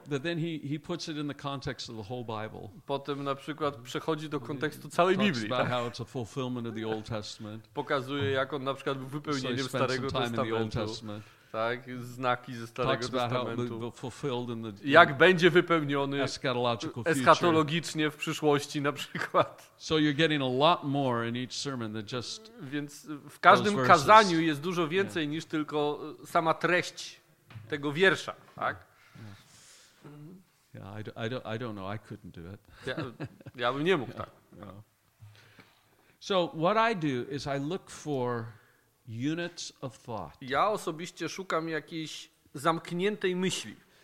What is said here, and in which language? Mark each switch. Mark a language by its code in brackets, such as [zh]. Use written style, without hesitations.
[en] But then he puts it in the context of the whole Bible. [pl] Potem na przykład przechodzi do kontekstu całej Biblii. [en] Talks about how it's a fulfillment of the Old Testament. [pl] Pokazuje, jak on na przykład był wypełnieniem [en] so [pl] Starego Testamentu. [en] In the Old Testament. [pl] Tak, znaki ze Starego [en] talks [pl] Testamentu. [en] About how it'll be fulfilled in the, [pl] jak będzie wypełniony [en] eschatological [pl] eschatologicznie [en] future. [pl] W przyszłości na przykład. [en] So you're getting a lot more in each sermon than just [pl] więc w każdym kazaniu jest dużo więcej niż tylko sama treść tego wiersza, tak? [en] Yeah, I don't know, I couldn't do it. [pl] Ja bym nie mógł tak. [en] No. So what I do is I look for units of thought. [pl] Ja osobiście szukam jakiejś zamkniętej myśli.